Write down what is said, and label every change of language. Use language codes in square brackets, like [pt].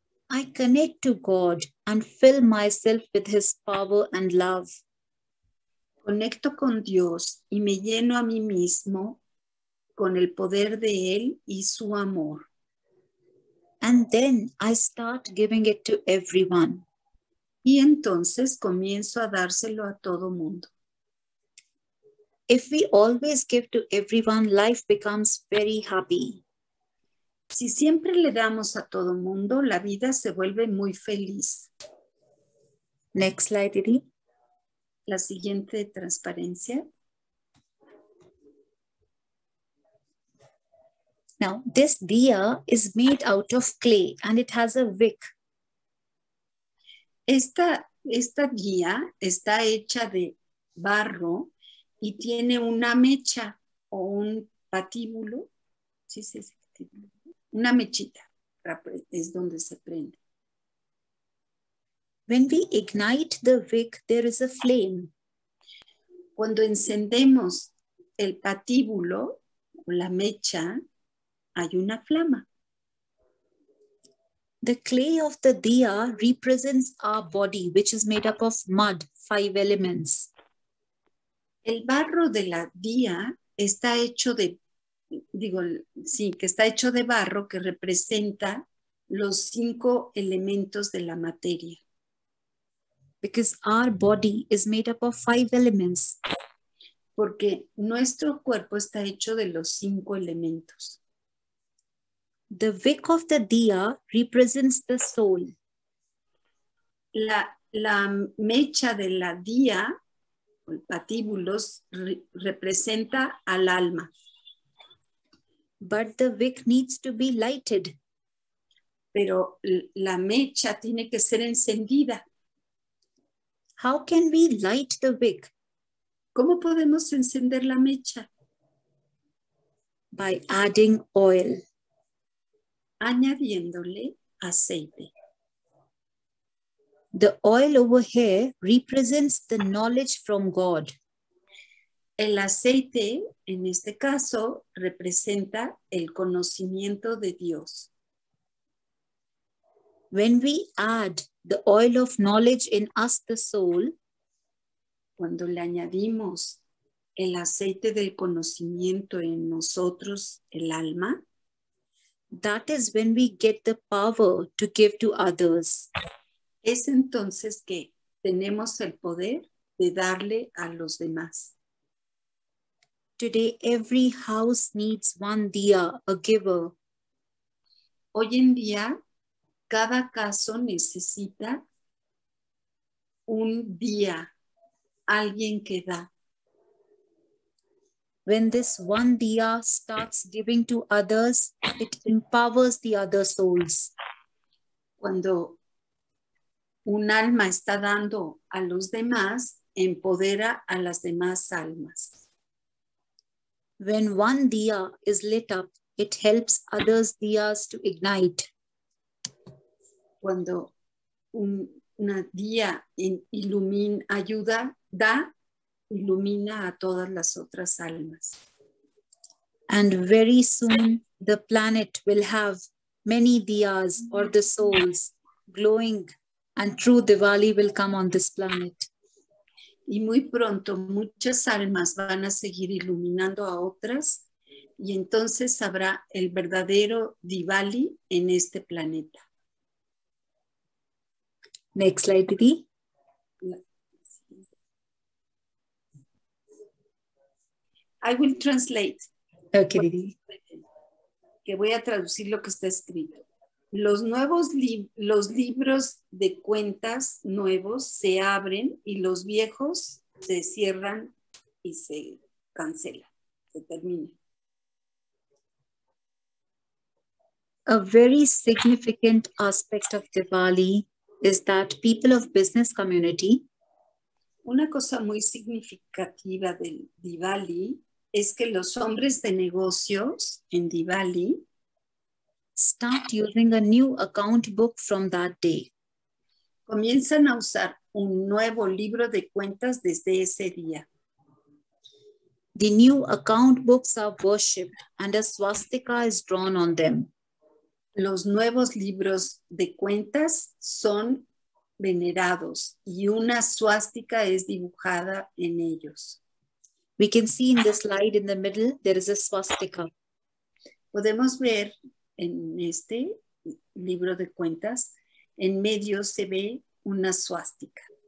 [en] I connect to God and fill myself with His power and love. [es] Conecto con Dios y me lleno a mí mismo con el poder de Él y su amor. [en] And then I start giving it to everyone. [es] Y entonces comienzo a dárselo a todo mundo. [en] If we always give to everyone, life becomes very happy. [es] Si siempre le damos a todo mundo, la vida se vuelve muy feliz. [en] Next slide, Didi. [es] La siguiente transparencia. [en] Now, this diya is made out of clay and it has a wick. [es] Esta diya está hecha de barro y tiene una mecha o un patíbulo. Sí, sí, sí. Una mechita es donde se prende. [en] When we ignite the wick, there is a flame. [es] Cuando encendemos el patíbulo o la mecha, hay una flama. [en] The clay of the diya represents our body, which is made up of mud, five elements. [es] El barro de la diya está hecho de barro que representa los cinco elementos de la materia. [en] Because our body is made up of five elements. [es] Porque nuestro cuerpo está hecho de los cinco elementos. [en] The wick of the dia represents the soul. [es] La mecha de la dia, el patíbulo, representa al alma. [en] But the wick needs to be lighted. [es] Pero la mecha tiene que ser encendida. [en] How can we light the wick? [es] ¿Cómo podemos encender la mecha? [en] By adding oil. [es] Añadiéndole aceite. [en] The oil over here represents the knowledge from God. [es] El aceite, en este caso, representa el conocimiento de Dios. [en] When we add the oil of knowledge in us, the soul, [es] cuando le añadimos el aceite del conocimiento en nosotros, el alma, [en] that is when we get the power to give to others. [es] Es entonces que tenemos el poder de darle a los demás. [en] Today, every house needs one dia, a giver. [es] Hoy en día, cada caso necesita un dia, alguien que da. [en] When this one dia starts giving to others, it empowers the other souls. [es] Cuando un alma está dando a los demás, empodera a las demás almas. [en] When one dia is lit up, it helps others dias to ignite. [es] Cuando una dia ilumina, ayuda, da, ilumina a todas las otras almas. [en] And very soon the planet will have many dias or the souls glowing, and true Diwali will come on this planet. [es] Y muy pronto muchas almas van a seguir iluminando a otras, y entonces habrá el verdadero Diwali en este planeta. [en] Next slide, Didi. I will translate. Okay, Didi. [es] Que voy a traducir lo que está escrito. Los nuevos los libros de cuentas nuevos se abren y los viejos se cierran y se cancela, se termina. [en] A very significant aspect of Diwali is that people of business community. [es] Una cosa muy significativa del Diwali es que los hombres de negocios en Diwali [en] start using a new account book from that day. [es] Comienzan a usar un nuevo libro de cuentas desde ese día. [en] The new account books are worshipped and a swastika is drawn on them. [es] Los nuevos libros de cuentas son venerados y una swastika es dibujada en ellos. [en] We can see in the slide in the middle, there is a swastika. [es] Podemos ver en este libro de cuentas, en medio se ve una swastika.